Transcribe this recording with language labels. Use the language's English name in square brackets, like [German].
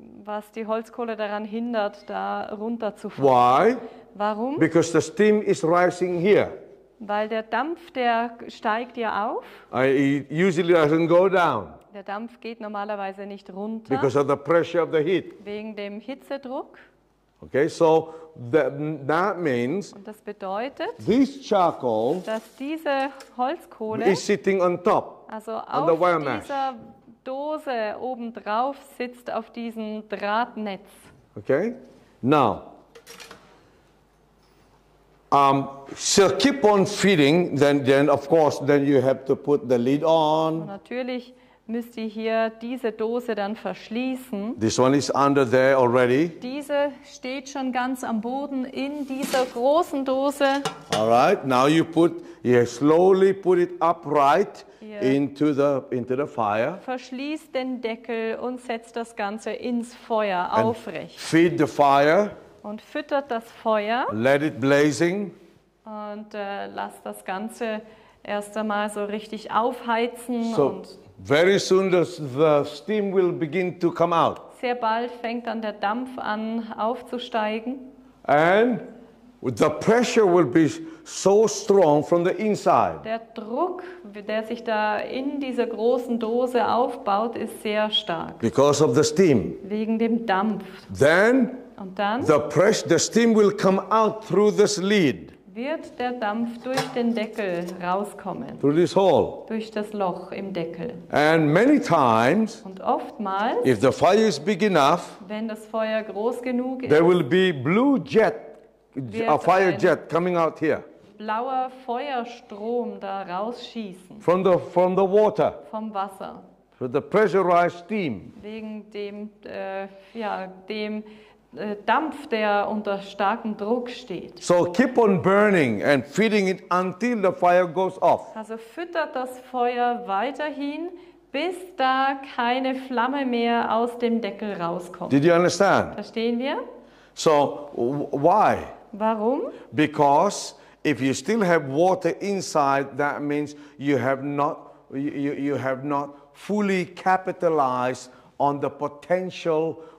[German] Was die Holzkohle daran hindert, da runterzufallen. [English] Why? [German] Warum? [English] Because the steam is rising here. [German] Weil der Dampf, der steigt ja auf. [English] Usually doesn't go down. [German] Der Dampf geht normalerweise nicht runter. [English] Because of the pressure of the heat. [German] Wegen dem Hitzedruck. [English] Okay, so that means. [German] Und das bedeutet. [English] This charcoal. [German] Dass diese Holzkohle. [English] Is sitting on top. [German] Also auf dieser Dose obendrauf sitzt auf diesem Drahtnetz. [English] Okay, now. So keep on feeding, then of course, then you have to put the lid on. [German] Natürlich müsst ihr hier diese Dose dann verschließen. [English] This one is under there already. [German] Diese steht schon ganz am Boden in dieser großen Dose. [English] All right, now you slowly put it upright into the fire. [German] Verschließt den Deckel und setzt das Ganze ins Feuer aufrecht. [English] And feed the fire. [German] Und füttert das Feuer. [English] Let it blazing. [German] Und lass das Ganze erst einmal so richtig aufheizen. [English] So [German] und [English] very soon the steam will begin to come out. [German] Sehr bald fängt dann der Dampf an aufzusteigen. [English] And the pressure will be so strong from the inside. [German] Der Druck, der sich da in dieser großen Dose aufbaut, ist sehr stark. [English] Because of the steam. [German] Wegen dem Dampf. [English] Then [German] und dann [English] the steam will come out through this lid. [German] Wird der Dampf durch den Deckel rauskommen. [English] Through this hole. [German] Durch das Loch im Deckel. [English] And many times, [German] und oftmals, [English] if the fire is big enough, [German] wenn das Feuer groß genug ist, [English] there will be blue jet, a fire jet coming out here. [German] Blauer Feuerstrom da rausschießen. [English] From the water. [German] Vom Wasser. [English] From the pressurized steam. [German] Wegen dem dem Dampf, der unter starkem Druck steht. [English] So keep on burning and feeding it until the fire goes off. [German] Also füttert das Feuer weiterhin, bis da keine Flamme mehr aus dem Deckel rauskommt. [English] Did you understand? [German] Verstehen wir? [English] So why? [German] Warum? [English] Because if you still have water inside, that means you have not fully capitalized on the potential.